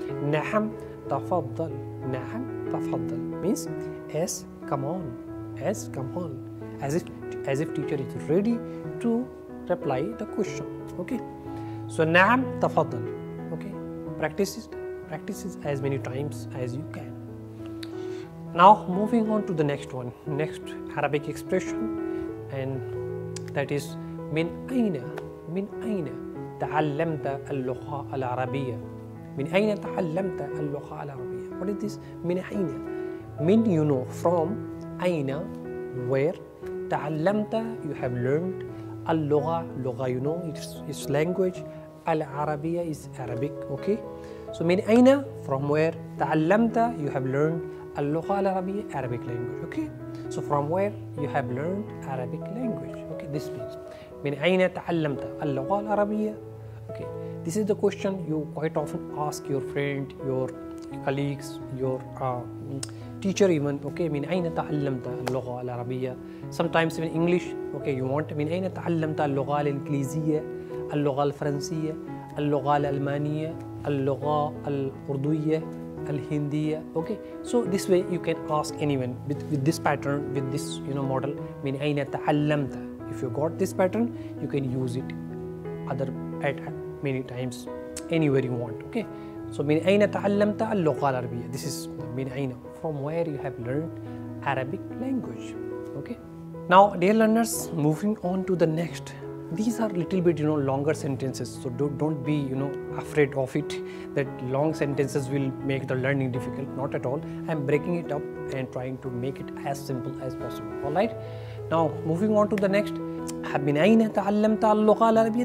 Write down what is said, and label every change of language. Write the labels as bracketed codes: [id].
[en] Naham tafaddal. Naham tafaddal means yes, come on. As if teacher is ready to reply the question. Okay. So naham tafaddal. Okay. Practice it as many times as you can. Now moving on to the next one. Next Arabic expression, and that is [ar] من أين؟ من أين تعلمت اللغة العربية؟ من أين تعلمت اللغة العربية؟ [en] What is this؟ [ar] من أين؟ من from أين؟ Where؟ تعلمت, [en] you have learned [ar] اللغة, لغة, [en] it's language, [ar] العربية [en] is Arabic, okay. So [ar] من أين؟ [en] From where؟ تعلمت, you have learned [ar] اللغة العربية, [en] Arabic language, okay. So from where, you have learned Arabic language, okay. This means [ar] من أين تعلمت اللغة العربية؟ [en] Okay, this is the question you quite often ask your friend, your colleagues, your teacher even. [ar] Okay, من أين تعلمت اللغة العربية؟ [en] Sometimes in English, okay, you want [ar] من أين تعلمت اللغة الإنجليزية، اللغة الفرنسية، اللغة الألمانية، اللغة الأردوية، الهندية. [en] Okay, so this way you can ask anyone with this pattern, with this model. [ar] من أين تعلمت؟ [en] If you got this pattern, you can use it other at many times, anywhere you want. Okay, so min ayna ta'allamta al-lughah al-arabiyya. This is min ayna, from where you have learned Arabic language. Okay. Now, dear learners, moving on to the next. These are little bit, you know, longer sentences. So don't be, you know, afraid of it, that long sentences will make the learning difficult. Not at all. I'm breaking it up and trying to make it as simple as possible. All right. Now, moving on to the next. [ar] من أين تعلمت اللغة العربية?